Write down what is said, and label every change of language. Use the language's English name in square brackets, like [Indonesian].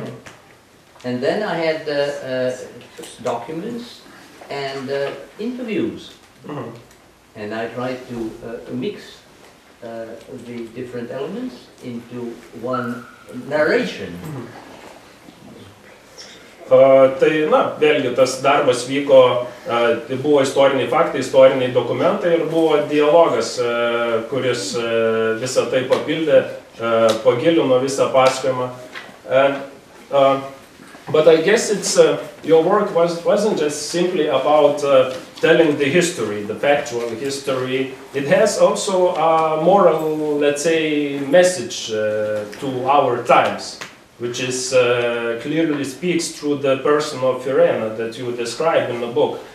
[English] Mm-hmm. And then I had documents and interviews. Mm-hmm. And I tried to mix the different elements into one narration. Mm-hmm. [Lithuanian] Tai, na, vėlgi, tas darbas vyko, tai buvo istoriniai faktai, istoriniai dokumentai ir buvo dialogas, kuris visą tai papildė. Pagilino visą pasakojimą. [English] But I guess it's your work wasn't just simply about telling the history, the factual history. It has also a moral, let's say, message to our times, which is clearly speaks through the person of Irena that you describe in the book.